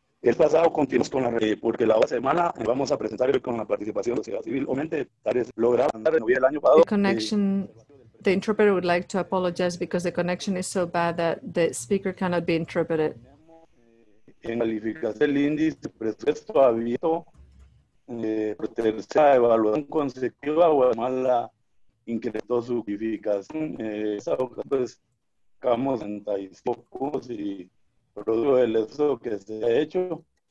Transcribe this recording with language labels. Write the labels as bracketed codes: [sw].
[es] El pasado continuamos con la red, porque la otra semana vamos a presentar con la participación de la sociedad civil. Obviamente, tal vez logramos andar en el año pasado. [en] The connection, the interpreter would like to apologize because the connection is so bad that the speaker cannot be interpreted. [es] En calificación del índice de presupuesto abierto, por tercera evaluación consecutiva, Guatemala incrementó su calificación. Esa ocasión, pues, sacamos 65 puntos y producto del esfuerzo que se ha hecho.